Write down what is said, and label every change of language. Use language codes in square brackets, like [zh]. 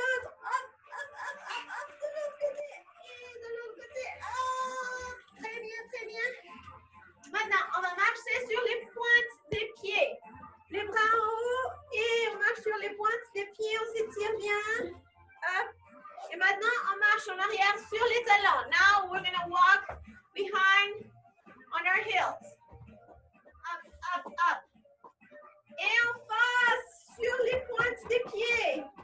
[fr] Hop, hop, hop, hop, hop, de l'autre côté. Et de l'autre côté. Hop, très bien, très bien. Maintenant, on va marcher sur les pointes des pieds. Les bras en haut et on marche sur les pointes des pieds, on s'étire bien. Hop. Et maintenant, on marche en arrière sur les talons. [en] Now we're going to walk behind on our heels. Up, up, up. [fr] Et en face, sur les pointes des pieds.